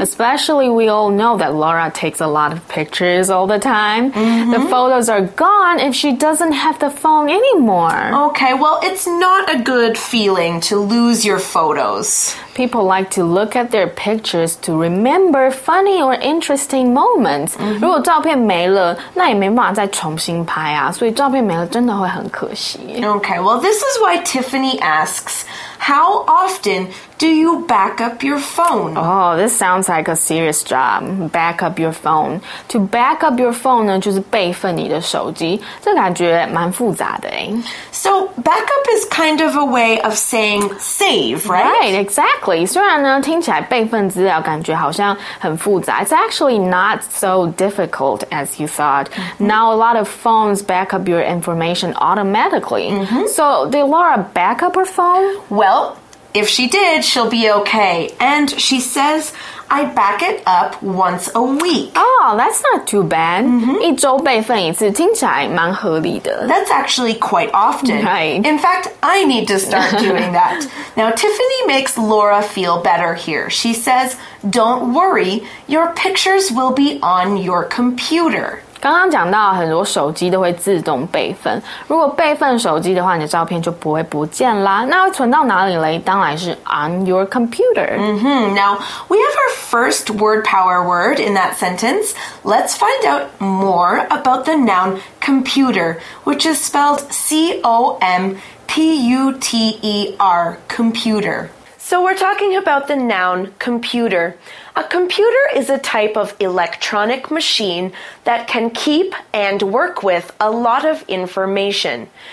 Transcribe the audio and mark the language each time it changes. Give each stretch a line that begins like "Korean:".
English: Especially we all know that Laura takes a lot of pictures all the time. Mm-hmm. The photos are gone if she doesn't have the phone anymore. Okay, well, it's not a good feeling to lose your photos. People like to look at their pictures to remember funny or interesting moments. Mm-hmm.
Chinese: 如果照片没了，那也没办法再重新拍啊。所以照片没了真的会很可惜。
English: Okay, well, this is why Tiffany asks, how often do you back up your phone? Oh, this sounds like a serious job. Back up your phone. To back up your phone
Chinese: 呢，就是备份你的手机。这感觉蛮复杂的诶。
English: So, backup is kind of a way of saying save, right? Right, exactly.
Chinese: 虽然呢，听起来备份资料感觉好像很复杂。
English: It's actually not so difficult as you thought. Mm-hmm. Now, a lot of phones back up your information automatically. Mm-hmm. So, did Laura back up her phone? Well, if she did, she'll be okay. And she says, I back it up once a week. Oh, that's not too bad. Mm-hmm.
Chinese: 一周备份一次听起来蛮合理的。
English: That's actually quite often. Right. In fact, I need to start doing that. Now, Tiffany makes Laura feel better here. She says, don't worry, your pictures will be on your computer.
Chinese: 刚刚讲到很多手机都会自动备份，如果备份手机的话，你的照片就不会不见啦。那会存到哪里嘞？当然是
English: on your computer. Mm-hmm. Now, we have our first word power word in that sentence. Let's find out more about the noun computer, which is spelled C-O-M-P-U-T-E-R, computer. So we're talking about the noun computer. A computer is a type of electronic machine that can keep and work with a lot of information.